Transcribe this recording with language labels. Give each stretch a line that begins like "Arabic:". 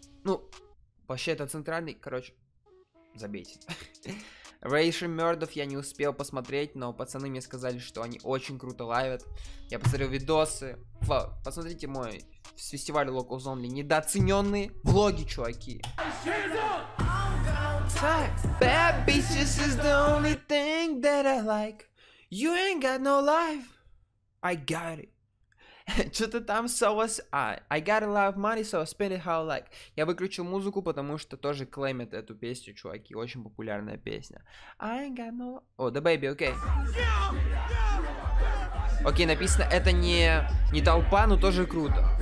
Russian: Ну, вообще, это центральный, короче, забейте. Рэйшн мёртв я не успел посмотреть, но пацаны мне сказали, что они очень круто лайвят. Я посмотрел видосы. Посмотрите мой... с фестиваля Locals Only, недооцененные влоги, чуваки.
English: Bad bitches is the only thing that I like. You ain't got no life. I got it.
Russian: Что-то там
English: so was I. I got a lot of money, so I spend it how I like.
Russian: Я выключил музыку, потому что тоже клеймят эту песню, чуваки. Очень популярная песня.
English: I ain't got no... Oh, the baby, okay.
Russian: Окей, написано, это не толпа, но тоже круто.